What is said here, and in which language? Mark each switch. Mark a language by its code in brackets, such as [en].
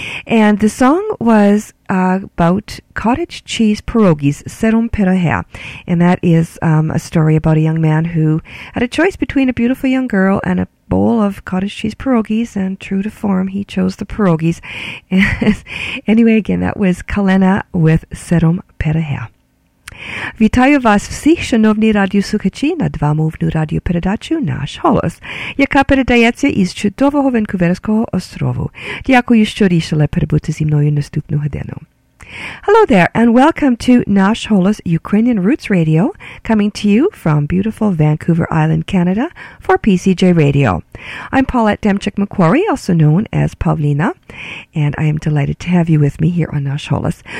[en] And the song was about cottage cheese pierogies, Serum Perahe. And that is a story about a young man who had a choice between a beautiful young girl and a bowl of cottage cheese pierogies, and true to form, he chose the pierogies. Anyway, again, that was Kalena with Serum Perahe. [uk] Вітаю вас всіх, шановні радіослухачі, на двамовну радіопередачу «Наш голос», яка передається із чудового Ванкуверського острову. Дякую, що рішили перебути зі мною наступну годину. [en] Hello there, and welcome to Nash Holos Ukrainian Roots Radio, coming to you from beautiful Vancouver Island, Canada, for PCJ Radio. I'm Paulette Demchik-McQuarrie, also known as Pavlina, and I am delighted to have you with me here on Nash Holos.